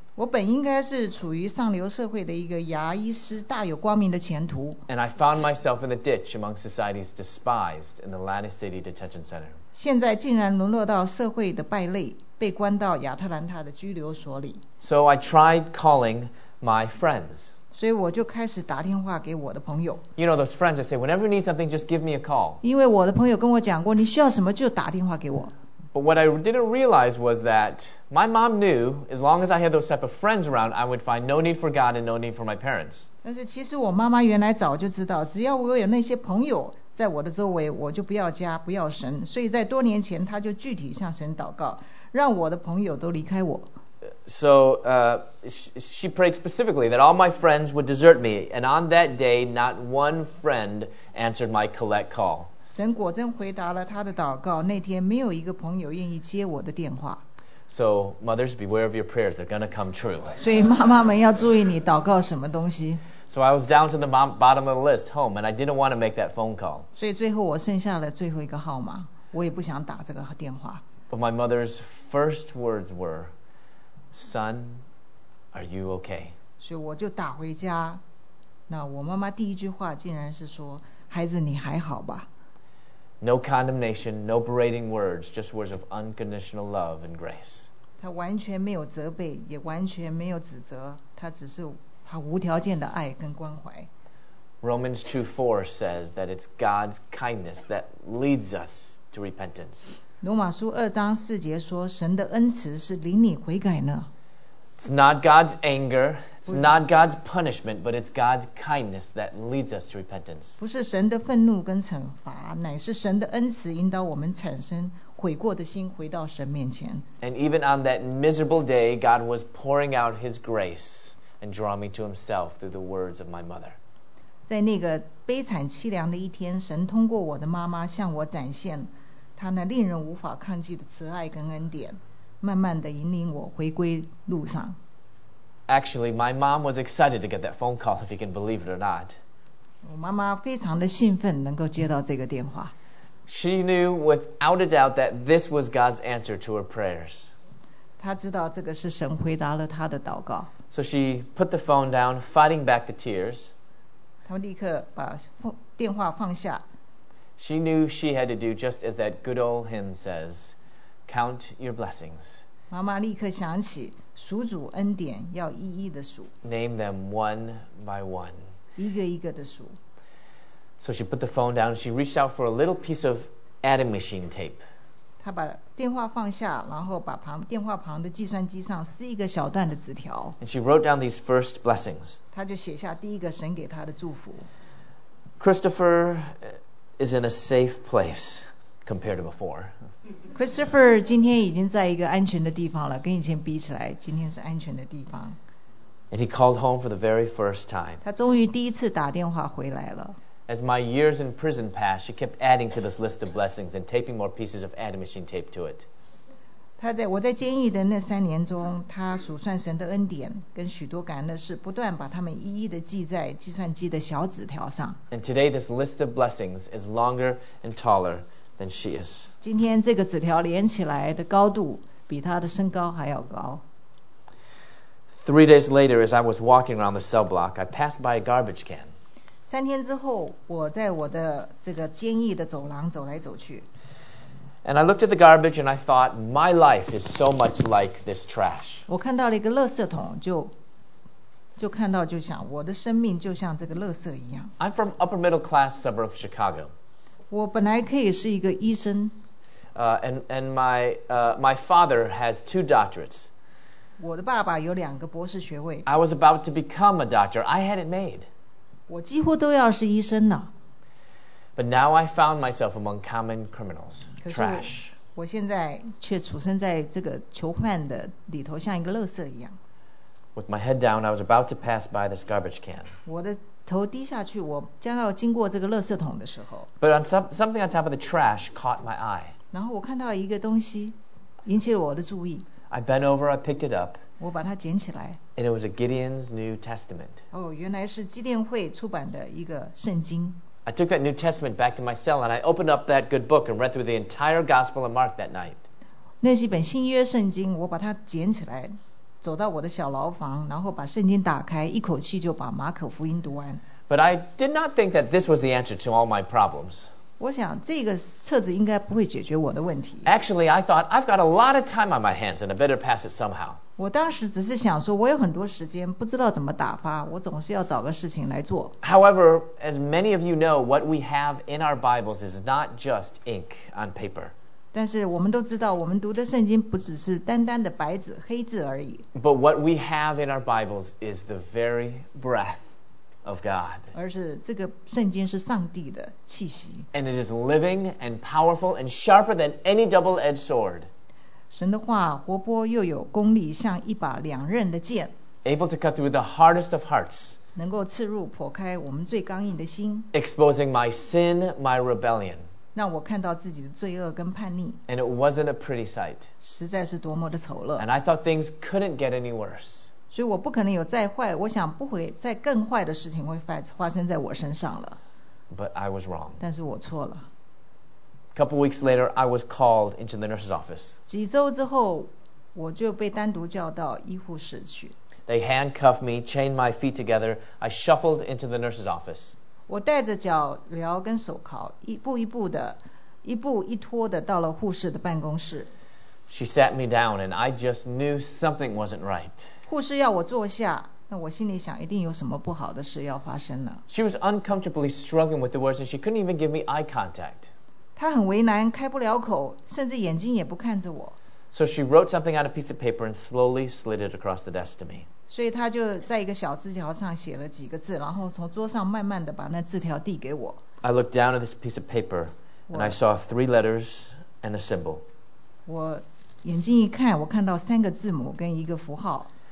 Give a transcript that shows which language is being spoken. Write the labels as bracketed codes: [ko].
[zh] 我本应该是处于上流社会的一个牙医师，大有光明的前途。 [en] And I found myself in the ditch among society's despised in the Atlanta City Detention Center. [zh] 现在竟然沦落到社会的败类，被关到亚特兰大的拘留所里。 [en] So I tried calling my friends. [zh] 所以我就开始打电话给我的朋友。 [en] You know those friends I say, whenever you need something, just give me a call. [zh] 因为我的朋友跟我讲过，你需要什么就打电话给我。 [en] But what I didn't realize was that my mom knew as long as I had those type of friends around, I would find no need for God and no need for my parents. [zh] 但是其实我妈妈原来早就知道，只要我有那些朋友在我的周围，我就不要家，不要神。所以在多年前，她就具体向神祷告，让我的朋友都离开我。 [en] So she prayed specifically that all my friends would desert me, and on that day, not one friend answered my collect call. [zh] 神果真回答了他的祷告，那天没有一个朋友愿意接我的电话。 [en] So mothers, beware of your prayers, they're going to come true. [zh] 所以妈妈们要注意你祷告什么东西。 [en] So I was down to the bottom of the list, home, and I didn't want to make that phone call. [zh] 所以最后我剩下了最后一个号码，我也不想打这个电话。 [en] But my mother's first words were, Son, are you okay? [zh] 所以我就打回家，那我妈妈第一句话竟然是说，孩子你还好吧。 [en] No condemnation, no berating words, just words of unconditional love and grace. [zh] 他完全没有责备，也完全没有指责，他只是他无条件的爱跟关怀。 [en] Romans 2:4 says that it's God's kindness that leads us to repentance. [zh] 罗马书二章四节说，神的恩慈是领你悔改呢。 [en] It's not God's anger, it's not God's punishment, but it's God's kindness that leads us to repentance. [zh] 不是神的愤怒跟惩罚，乃是神的恩慈引导我们产生悔过的心，回到神面前。 [en] And even on that miserable day, God was pouring out His grace and drawing me to Himself through the words of my mother. [zh] 在那个悲惨凄凉的一天，神通过我的妈妈向我展现他那令人无法抗拒的慈爱跟恩典，慢慢地引领我回归路上。 [en] Actually, my mom was excited to get that phone call, if you can believe it or not. [zh] 我妈妈非常的兴奋能够接到这个电话。 [en] She knew without a doubt that this was God's answer to her prayers. [zh] 她知道这个是神回答了她的祷告。 [en] So she put the phone down, fighting back the tears. [zh] 她立刻把电话放下。 [en] She knew she had to do just as that good old hymn says, count your blessings [zh] 妈妈立刻想起数主恩典要一一的数。 [en] Name them one by one. [zh] 一个一个的数。 [en] So she put the phone down. She reached out for a little piece of adding machine tape. [zh] 她把电话放下，然后把旁电话旁的计算机上撕一个小段的纸条。 [en] And she wrote down these first blessings. [zh] 她就写下第一个神给她的祝福。 [en] Christopher is in a safe place compared to before. [zh] Christopher 今天已经在一个安全的地方了，跟以前比起来，今天是安全的地方。 [en] And he called home for the very first time. [zh] 他终于第一次打电话回来了。 [en] As my years in prison passed, she kept adding to this list of blessings and taping more pieces of adding machine tape to it. [zh] 他在我在监狱的那三年中，他数算神的恩典跟许多感恩的事，不断把他们一一的记在计算机的小纸条上。 [en] And today this list of blessings is longer and taller than she is. [zh] 今天这个纸条连起来的高度比他的身高还要高。 [en] 3 days later, as I was walking around the cell block, I passed by a garbage can. 3 days [zh] 之后，我在我的这个监狱的走廊走来走去。 [en] And I looked at the garbage and I thought, my life is so much like this trash. [zh] 我看到了一个垃圾桶，就看到就想，我的生命就像这个垃圾一样。 [en] I'm from upper middle class suburb of Chicago. [zh] 我本来可以是一个医生。 [en] And my father has 2 doctorates. [zh] 我的爸爸有两个博士学位。 [en] I was about to become a doctor. I had it made. [zh] 我几乎都要是医生了。 [en] But now I found myself among common criminals, trash. [zh] 我现在却处身在这个囚犯的里头，像一个垃圾一样。 [en] With my head down, I was about to pass by this garbage can. [zh] 我的头低下去，我将要经过这个垃圾桶的时候。 [en] But something on top of the trash caught my eye. [zh] 然后我看到一个东西，引起了我的注意。 [en] I bent over, I picked it up. [zh] 我把它捡起来。 [en] And it was a Gideon's New Testament. [zh] 哦，原来是基甸会出版的一个圣经。 [en] I took that New Testament back to my cell and I opened up that good book and read through the entire Gospel of Mark that night. [zh] 那是一本新约圣经，我把它捡起来，走到我的小牢房，然后把圣经打开，一口气就把马可福音读完。 [en] But I did not think that this was the answer to all my problems. [zh] 我想这个册子应该不会解决我的问题。 [en] Actually, I thought, I've got a lot of time on my hands and I better pass it somehow. [zh] 我当时只是想说我有很多时间不知道怎么打发，我总是要找个事情来做。 [en] However, as many of you know, what we have in our Bibles is not just ink on paper. [zh] 但是我们都知道我们读的圣经不只是单单的白纸黑字而已。 [en] But what we have in our Bibles is the very breath of God. [zh] 而是这个圣经是上帝的气息。 [en] And it is living and powerful and sharper than any double-edged sword. [zh] 神的话活泼又有功力，像一把两刃的剑。 [en] Able to cut through the hardest of hearts. [zh] 能够刺入剖开我们最刚硬的心。 [en] Exposing my sin, my rebellion. [zh] 让我看到自己的罪恶跟叛逆。 [en] And it wasn't a pretty sight. [zh] 实在是多么的丑陋。 [en] And I thought things couldn't get any worse. [zh] 所以我不可能有再坏，我想不会再更坏的事情会发生在我身上了。 [en] But I was wrong. [zh] 但是我错了。 [en] Couple weeks later, I was called into the nurse's office. [zh] 几周之后，我就被单独叫到医护室去。 [en] They handcuffed me, chained my feet together. I shuffled into the nurse's office. [zh] 我带着脚镣跟手铐，一步一拖的到了护士的办公室。 [en] She sat me down, and I just knew something wasn't right. [zh] 护士要我坐下，那我心里想，一定有什么不好的事要发生了。 [en] She was uncomfortably struggling with the words, and she couldn't even give me eye contact. [zh] 她很为难，开不了口，甚至眼睛也不看着我。 [en] So she wrote something on a piece of paper and slowly slid it across the desk to me. [zh] 所以她就在一个小纸条上写了几个字，然后从桌上慢慢地把那字条递给我。 [en] I looked down at this piece of paper and I saw 3 letters and a symbol. [zh] 我眼睛一看，我看到三个字母跟一个符号。